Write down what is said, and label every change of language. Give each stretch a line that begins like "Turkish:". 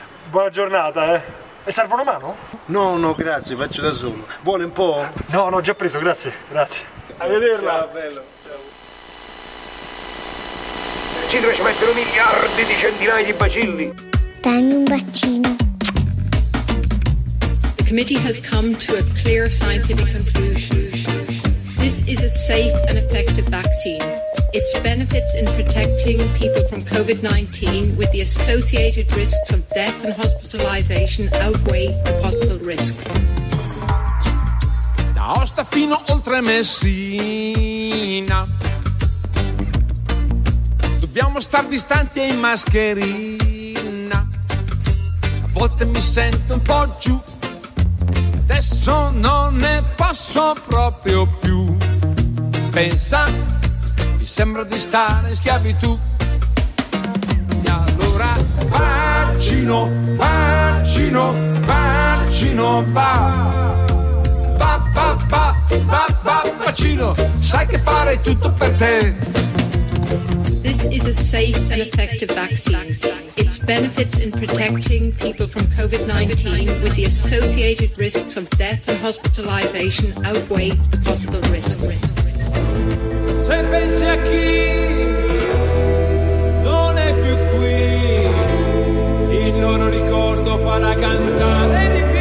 Italian: Buona giornata, E serve una mano? No, no, grazie, faccio da solo. Vuole un po'? No, no, già preso, grazie, grazie. A vederla. Ciao, bello. Ciao. Nel centro ci mettono miliardi di centinaia di bacilli. Dammi un bacino.
English: The committee has come to a clear scientific conclusion. This is a safe and effective vaccine. Its benefits in protecting people from COVID-19 with the associated risks of death and hospitalization outweigh the possible risks.
Italian: Da Aosta fino oltre Messina, dobbiamo star distanti e in mascherina. A volte mi sento un po' giù, adesso non ne posso proprio più. Pensa, mi sembra di stare in schiavitù. E allora vaccino, vaccino, vaccino, va. Va, va, va, va, va, vaccino. Sai che fare tutto per te.
English: This is a safe and effective vaccine. Its benefits in protecting people from COVID-19 with the associated risks of death and hospitalization outweigh the possible risk.
Italian: Se pensi a chi non è più qui, il loro ricordo farà cantare di.